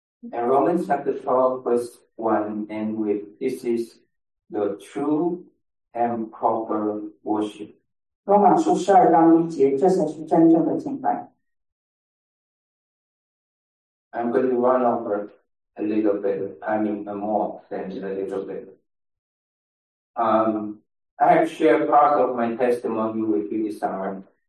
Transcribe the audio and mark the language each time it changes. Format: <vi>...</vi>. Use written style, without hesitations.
<en>And Romans chapter 12, verse 1 ends with, This is the true and proper worship.</en> <zh>罗马书12章1节，这才是真正的敬拜。</zh> <en>I'm going to run over a little bit, I mean, more than a little bit. I have shared part of my testimony with you this summer.</en>